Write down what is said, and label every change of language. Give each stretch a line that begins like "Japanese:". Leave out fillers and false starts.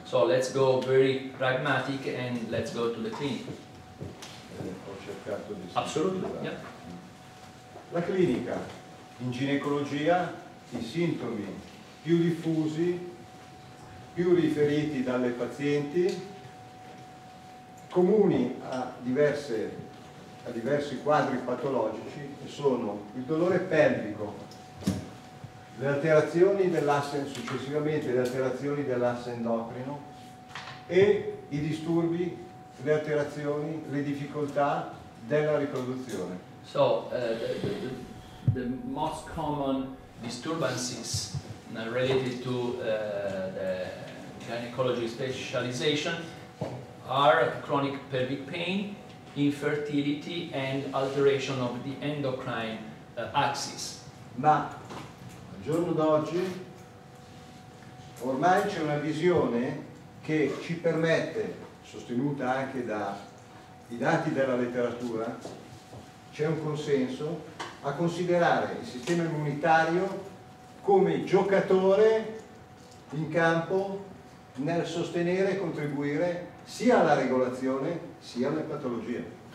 English: So let's go very pragmatic and let's go to the clinic.
Italian: Ho cercato di assolutamente. Yeah. La clinica. In ginecologia i sintomi più diffusi più riferiti dalle pazienti, comuni a diversi quadri patologici, che sono il dolore pelvico, le alterazioni dell'asse, successivamente le alterazioni dell'asse endocrino e i disturbi, le alterazioni, le difficoltà della riproduzione.
English: So the most common disturbances related to the gynecology specialization are chronic pelvic pain, infertility and alteration of the endocrine axis.
Italian: Ma al giorno d'oggi ormai c'è una visione che ci permette, sostenuta anche dai dati della letteratura, c'è un consenso a considerare il sistema immunitario come giocatore in campo nel sostenere e contribuire sia alla regolazione sia alle patologie.